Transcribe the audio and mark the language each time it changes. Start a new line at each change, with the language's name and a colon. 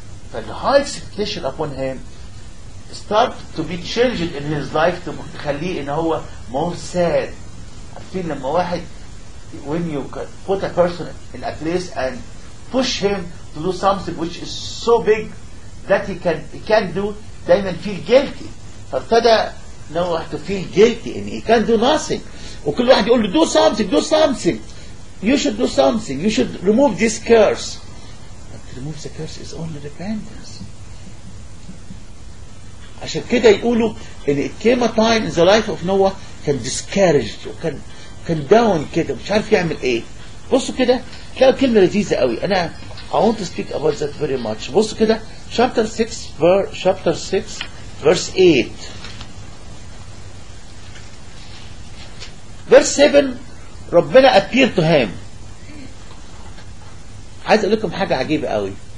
English: but the high expectation upon him start to be changed in his life to
Arabic: خليه ان هو
English: more sad
Arabic: عارفين لما واحد
English: when you put a person in a place and push him to do something which is so big that he can't do دايما feel guilty
Arabic: فابتدى نوح
English: to feel guilty and he can't do nothing
Arabic: وكل واحد يقول له
English: do something you should remove this curse but removes the curse is only repentance.
Arabic: عشان كده يقولوا ان
English: it came a time in the life of Noah
Arabic: كان
English: discouraged
Arabic: وكان كان down كده مش عارف يعمل ايه. بصوا كده تلاقوا كلمة لذيذة قوي.
English: انا I want to speak about that very much.
Arabic: بصوا كده
English: chapter 6 chapter 6 verse 8 verse 7 ربنا appeared to him.
Arabic: عايز اقول لكم حاجة عجيبة قوي.